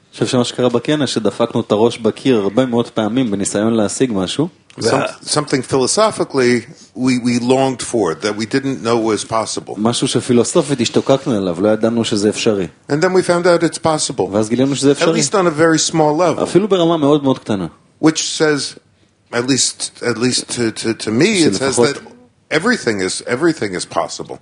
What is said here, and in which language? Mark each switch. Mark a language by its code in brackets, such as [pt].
[he] חשב שמה שקרה בכנס, שדפקנו את הראש בקיר הרבה מאוד פעמים בניסיון להשיג משהו. [en] Something philosophically we longed for that we didn't know was possible. [he] משהו שפילוסופית השתוקקנו אליו, לא ידענו שזה אפשרי. [en] And then we found out it's possible. [he] ואז גילינו שזה אפשרי. [en] At least on a very small level. [he] אפילו ברמה מאוד מאוד קטנה. [en] Which says at least to me it says that everything is possible.